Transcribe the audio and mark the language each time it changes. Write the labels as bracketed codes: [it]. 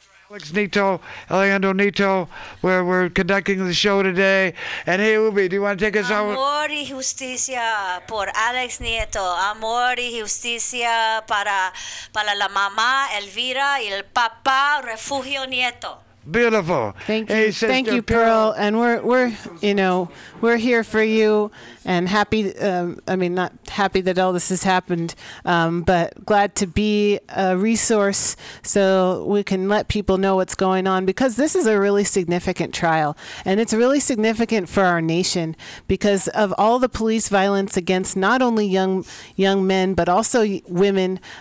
[en] Alex Nieto, Alejandro Nieto, where we're conducting the show today. And hey, Ubi, do you want to take us out? [es] Amor y justicia por Alex Nieto. Amor y justicia para la mamá Elvira y el papá Refugio Nieto. [en] Beautiful. Thank you, Pearl. And we're here for you. and happy, I mean, not happy that all this has happened, but glad to be a resource so we can let people know what's going on, because this is a really significant trial, and it's really significant for our nation because of all the police violence against not only young men, but also women,